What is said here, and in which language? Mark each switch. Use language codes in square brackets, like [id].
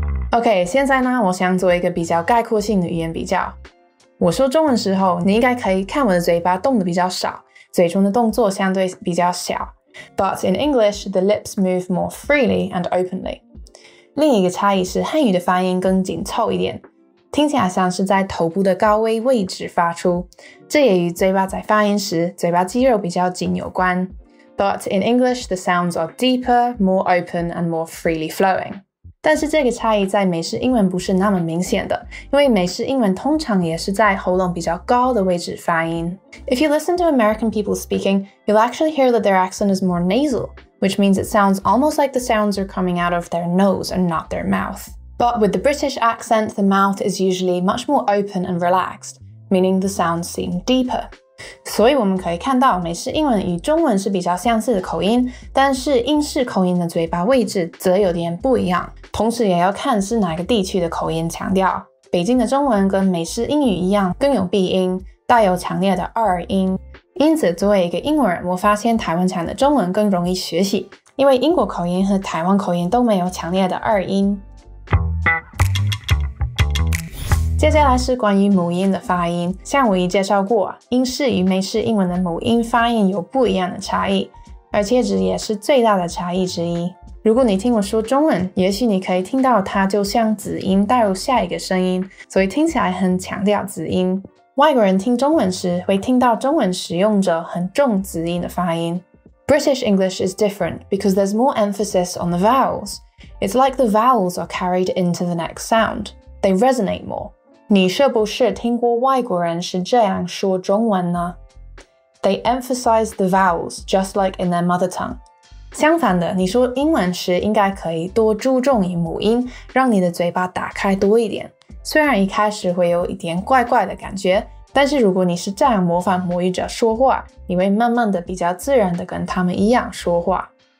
[zh] OK, 现在呢我想做一个比较概括性的语言比较。我说中文时候你应该可以看我的嘴巴动得比较少，嘴唇的动作相对比较小。 [en] But in English, the lips move more freely and openly. [zh] 另一个差异是汉语的发音更紧凑一点，听起来像是在头部的高位位置发出，这也与嘴巴在发音时嘴巴肌肉比较紧有关。 [en] But in English, the sounds are deeper, more open, and more freely flowing. [zh] 但是这个差异在美式英文不是那么明显的，因为美式英文通常也是在喉咙比较高的位置发音。 [en] If you listen to American people speaking, you'll actually hear that their accent is more nasal, which means it sounds almost like the sounds are coming out of their nose and not their mouth. But with the British accent, the mouth is usually much more open and relaxed, meaning the sounds seem deeper. [zh] 所以我们可以看到美式英文与中文是比较相似的口音，但是英式口音的嘴巴位置则有点不一样，同时也要看是哪个地区的口音强调。北京的中文跟美式英语一样更有鼻音，带有强烈的二音，因此作为一个英国人，我发现台湾腔的中文更容易学习，因为英国口音和台湾口音都没有强烈的二音。接下来是关于母音的发音，像我已介绍过，英式与美式英文的母音发音有不一样的差异，而且这也是最大的差异之一。如果你听我说中文，也许你可以听到它就像子音带入下一个声音，所以听起来很强调子音。外国人听中文时会听到中文使用者很重子音的发音。 [en] British English is different because there's more emphasis on the vowels. It's like the vowels are carried into the next sound. They resonate more. [zh] 你是不是听过外国人是这样说中文呢？ [en] They emphasize the vowels, just like in their mother tongue. [zh] 相反的，你说英文时应该可以多注重于母音，让你的嘴巴打开多一点。虽然一开始会有一点怪怪的感觉，但是如果你是这样模仿母语者说话，你会慢慢的比较自然的跟他们一样说话。